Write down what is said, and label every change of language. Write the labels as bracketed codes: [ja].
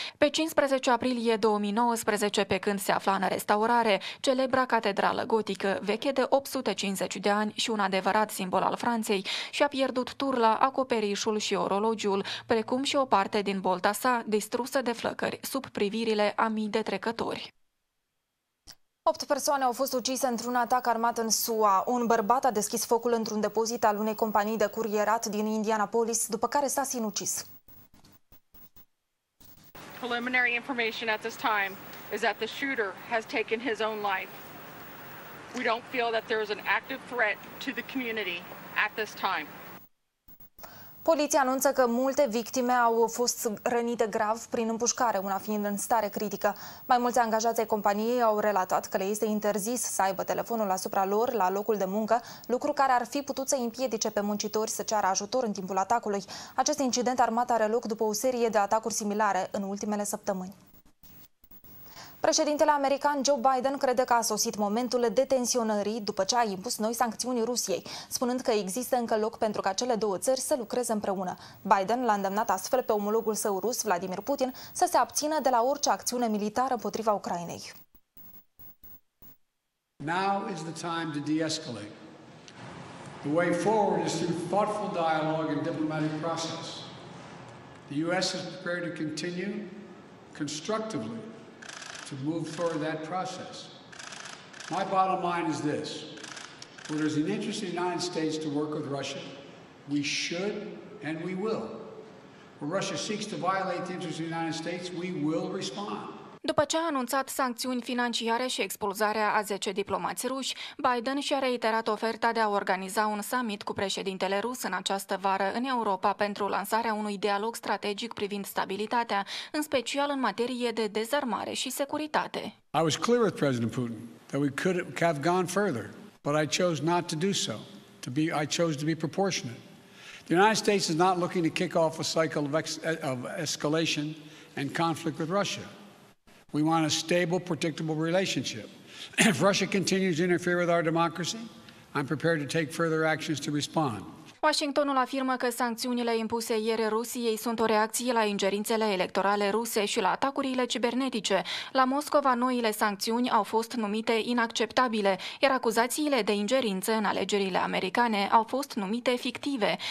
[ro] Pe 15 aprilie 2019, pe când se afla în restaurare, celebra catedrală gotică, veche de 850 de ani și un adevărat simbol al Franței, și-a pierdut turla, acoperișul și orologiul, precum și o parte din bolta sa, distrusă de flăcări, sub privirile a mii de trecători. 8 persoane au fost ucise într-un atac armat în SUA. Un bărbat a deschis focul într-un depozit al unei companii de curierat din Indianapolis, după care s-a sinucis. [en] Preliminary information at this time is that the shooter has taken his own life. We don't feel that there is an active threat to the community at this time. [ro] Poliția anunță că multe victime au fost rănite grav prin împușcare, una fiind în stare critică. Mai mulți angajați ai companiei au relatat că le este interzis să aibă telefonul asupra lor la locul de muncă, lucru care ar fi putut să împiedice pe muncitori să ceară ajutor în timpul atacului. Acest incident armat are loc după o serie de atacuri similare în ultimele săptămâni. Președintele american Joe Biden crede că a sosit momentul detensionării după ce a impus noi sancțiuni Rusiei, spunând că există încă loc pentru ca cele două țări să lucreze împreună. Biden l-a îndemnat astfel pe omologul său rus, Vladimir Putin, să se abțină de la orice acțiune militară împotriva Ucrainei. [en] Now is the time to de-escalate. The way forward is through thoughtful dialogue and diplomatic process. The US is prepared to continue constructively to move through that process. My bottom line is this. Where there's an interest in the United States to work with Russia, we should and we will. Where Russia seeks to violate the interests of the United States, we will respond. [ro] După ce a anunțat sancțiuni financiare și expulzarea a 10 diplomați ruși, Biden și-a reiterat oferta de a organiza un summit cu președintele rus în această vară în Europa pentru lansarea unui dialog strategic privind stabilitatea, în special în materie de dezarmare și securitate. [en] I was clear with President Putin that we could have gone further, but I chose not to do so. I chose to be proportionate. The United States is not looking to kick off a cycle of escalation and conflict with Russia. We want a stable, predictable relationship. If Russia continues to interfere with our democracy, I'm prepared to take further actions to respond. [ro] Washingtonul afirmă că sancțiunile impuse ieri Rusiei sunt o reacție la ingerințele electorale ruse și la atacurile cibernetice. La Moscova, noile sancțiuni au fost numite inacceptabile, iar acuzațiile de ingerință în alegerile americane au fost numite fictive.